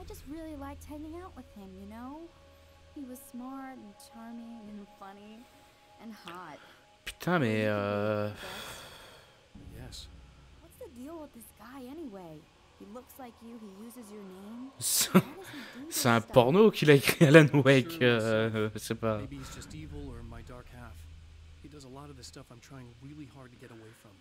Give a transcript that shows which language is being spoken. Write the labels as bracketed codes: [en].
[en] I just really liked hanging out with him, you know? He was smart and charming and funny and hot. [fr] Putain, mais [en] yes. What's the deal with this guy anyway? He looks like you, he uses your name. [fr] C'est un porno qu'il a écrit Alan Wake, c'est pas. [en] Maybe he's just evil or my dark half. He does a lot of the stuff I'm trying really hard to get away from.